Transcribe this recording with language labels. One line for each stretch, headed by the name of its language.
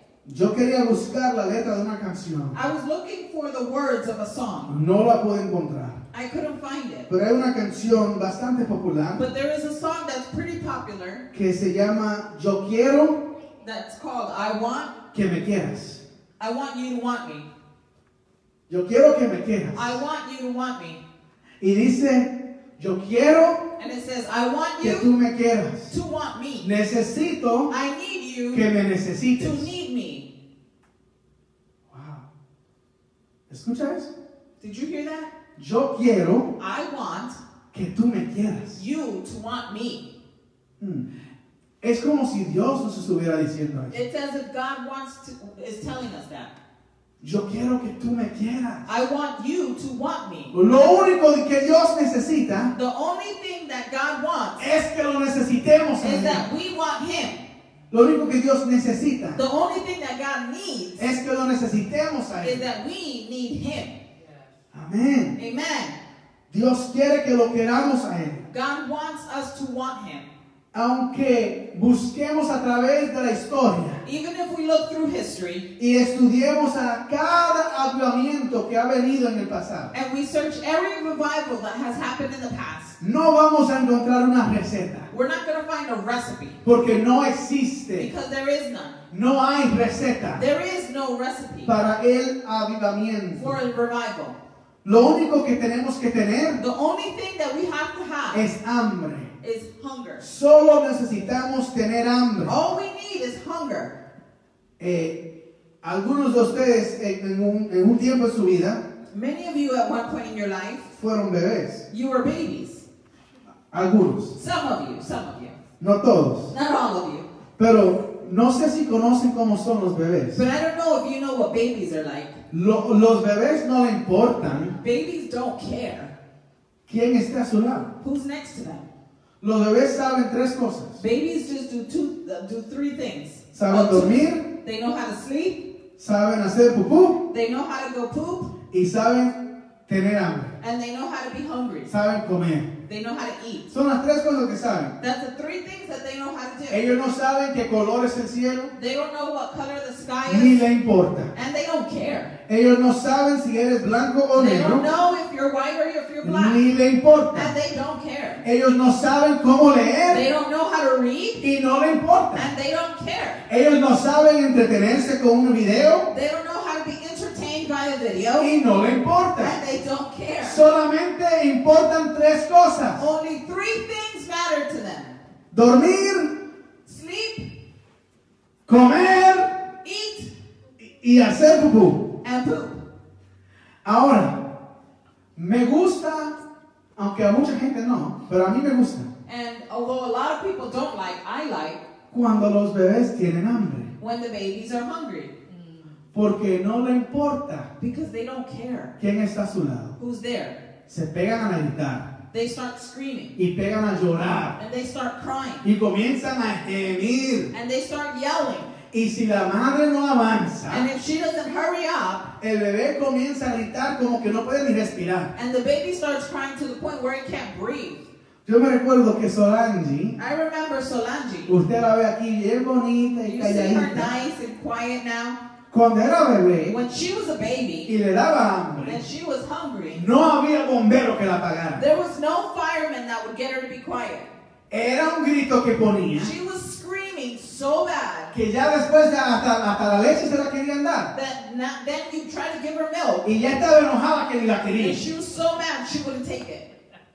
Spanish: Yo quería buscar la letra de una canción.
English: I was looking for the words of a song.
Spanish: No la pude encontrar.
English: I couldn't find it.
Spanish: Pero hay una canción bastante popular.
English: But there is a song that's pretty popular.
Spanish: Que se llama Yo Quiero.
English: That's called I Want.
Spanish: Que me quieras.
English: I want you to want me.
Spanish: Yo quiero que me quieras.
English: I want you to want me.
Spanish: Y dice, yo quiero.
English: And it says, I want you.
Spanish: Que tú me quieras.
English: To want me.
Spanish: Necesito.
English: I need you.
Spanish: Que me necesites.
English: To need me.
Spanish: Wow. ¿Escuchas?
English: Did you hear that?
Spanish: Yo quiero.
English: I want.
Spanish: Que tú me quieras.
English: You to want me.
Spanish: Es como si Dios nos estuviera diciendo eso.
English: It's as if God wants to, is telling us that.
Spanish: Yo quiero que tú me quieras.
English: I want you to want me.
Spanish: Lo único que Dios necesita,
English: the only thing that God wants,
Spanish: es que lo necesitemos a él.
English: Is that we want him.
Spanish: Lo único que Dios necesita,
English: the only thing that God needs,
Spanish: es que lo necesitemos a él.
English: Is that we need him.
Spanish: Amén.
English: Amen.
Spanish: Dios quiere que lo queramos a él.
English: God wants us to want him.
Spanish: Aunque busquemos a través de la historia,
English: even if we look through history,
Spanish: y estudiemos a cada avivamiento que ha venido en el pasado,
English: and we search every revival that has happened in the past,
Spanish: no vamos a encontrar una receta.
English: We're not going to find a recipe.
Spanish: Porque no existe.
English: Because there is none.
Spanish: No hay receta.
English: There is no recipe.
Spanish: Para el avivamiento.
English: For a revival.
Spanish: Lo único que tenemos que tener,
English: the only thing that we have to have,
Spanish: es hambre.
English: Is hunger.
Spanish: Solo necesitamos tener hambre.
English: All we need is hunger.
Spanish: Algunos de ustedes en un tiempo de su vida,
English: many of you at one point in your life,
Spanish: fueron bebés.
English: You were babies.
Spanish: Algunos.
English: Some of you.
Spanish: No todos.
English: Not all of you.
Spanish: Pero no sé si conocen cómo son los bebés.
English: But I don't know if you know what babies are like.
Spanish: Los bebés no le importan.
English: Babies don't care.
Spanish: ¿Quién está a su lado?
English: Who's next to them?
Spanish: Los bebés saben tres cosas.
English: Babies just do three things.
Spanish: Saben dormir.
English: They know how to sleep.
Spanish: Saben hacer pupú.
English: They know how to go poop.
Spanish: Y saben tener hambre.
English: And they know how to be hungry.
Spanish: Saben comer.
English: They know how to eat.
Spanish: Son las tres cosas que saben.
English: That's the three things that they know how to do.
Spanish: Ellos no saben qué color es el cielo.
English: They don't know what color the sky is.
Spanish: Ni le importa.
English: And they don't care.
Spanish: Ellos no saben si eres blanco o
English: they
Spanish: negro.
English: They don't know if you're white or if you're black.
Spanish: Ni le importa.
English: And they don't care.
Spanish: Ellos no saben cómo leer.
English: They don't know how to read.
Spanish: Y no le importa.
English: And they don't care.
Spanish: Ellos no saben entretenerse con un video.
English: They don't know how to be entertained by a video.
Spanish: Y no le importa.
English: And they don't care.
Spanish: Solamente importan tres cosas.
English: Only three things matter to them.
Spanish: Dormir.
English: Sleep.
Spanish: Comer.
English: Eat.
Spanish: Y hacer pupú.
English: And poop.
Spanish: Ahora, me gusta, aunque a mucha gente no, pero a mí me gusta.
English: And although a lot of people don't like, I like.
Spanish: Cuando los bebés tienen hambre.
English: when the babies are hungry.
Spanish: Porque no le importa.
English: Because they don't care.
Spanish: ¿Quién está a su lado?
English: Who's there?
Spanish: Se pegan a gritar.
English: They start screaming.
Spanish: Y pegan a llorar.
English: And they start crying.
Spanish: Y comienzan a gemir.
English: And they start yelling.
Spanish: Y si la madre no avanza,
English: and if she doesn't hurry up,
Spanish: el bebé comienza a gritar como que no puede ni respirar.
English: And the baby starts crying to the point where it can't breathe.
Spanish: Yo me recuerdo que Solange,
English: I remember Solange,
Spanish: usted la ve aquí bien bonita y calladita.
English: You see her nice and quiet now.
Spanish: Cuando era bebé,
English: when she was a baby,
Spanish: y le daba hambre,
English: and she was hungry,
Spanish: no había bombero que la apagara.
English: There was no fireman that would get her to be quiet.
Spanish: Era un grito que ponía.
English: She was screaming so bad.
Spanish: Que ya después de hasta la leche se la querían dar.
English: Then you tried to give her milk.
Spanish: Y ya estaba enojada que ni la quería.
English: And she was so mad she wouldn't take it.